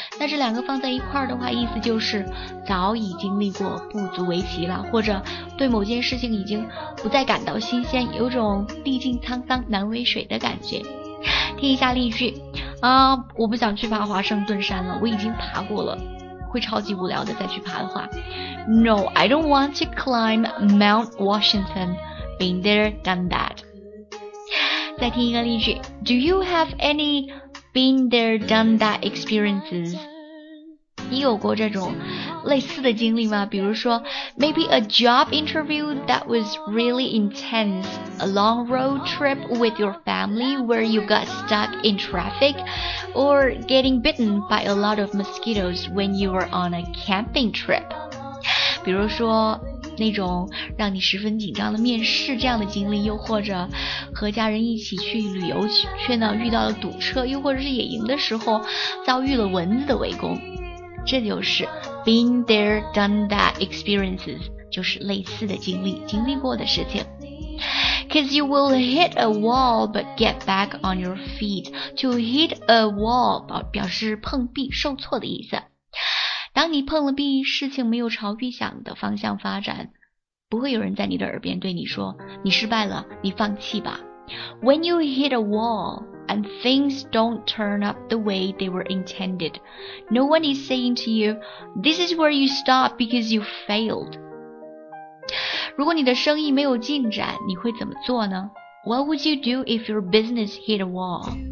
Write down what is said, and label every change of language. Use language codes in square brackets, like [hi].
[zh] 那这两个放在一块儿的话，意思就是早已经历过，不足为奇了，或者对某件事情已经不再感到新鲜，有种历尽沧桑难为水的感觉。听一下例句。我不想去爬华盛顿山了，我已经爬过了，会超级无聊的再去爬的话。 [en] No, I don't want to climb Mount Washington. Been there, done that. [zh] 再听一个例句。 [en] Do you have any been there, done that experiences? [zh] 你有过这种类似的经历吗？比如说 [en] Maybe a job interview that was really intense, a long road trip with your family where you got stuck in traffic, or getting bitten by a lot of mosquitoes when you were on a camping trip. [zh] 比如说那种让你十分紧张的面试这样的经历，又或者和家人一起去旅游却呢遇到了堵车，又或者是野营的时候遭遇了蚊子的围攻。这就是 [en] been there, done that experiences， [zh] 就是类似的经历，经历过的事情。 [en] Cause you will hit a wall but get back on your feet. [zh] To hit a wall 表示碰壁、受挫的意思。当你碰了壁，事情没有朝预想的方向发展，不会有人在你的耳边对你说你失败了，你放弃吧。 [en] When you hit a wallAnd things don't turn up the way they were intended. No one is saying to you, this is where you stop because you failed. [zh] 如果你的生意没有进展，你会怎么做呢？ [en] What would you do if your business hit a wall?